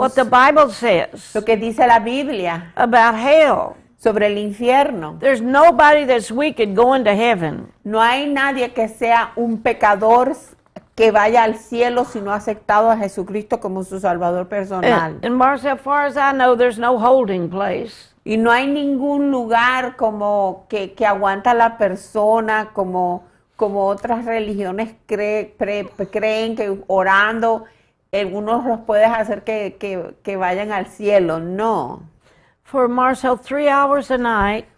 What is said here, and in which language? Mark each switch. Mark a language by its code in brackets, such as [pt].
[en] What the Bible says. [es] Lo que dice la Biblia. [en] About hell. [es] Sobre el infierno. [en] There's nobody that's wicked going to heaven. [es] No hay nadie que sea un pecador que vaya al cielo si no ha aceptado a Jesucristo como su salvador personal. [en] And Marcia, as far as I know, there's no holding place. [es] Y no hay ningún lugar como que aguanta la persona como otras religiones creen que orando algunos los puedes hacer que vayan al cielo. [en] No. For Marcel, 3 hours a night.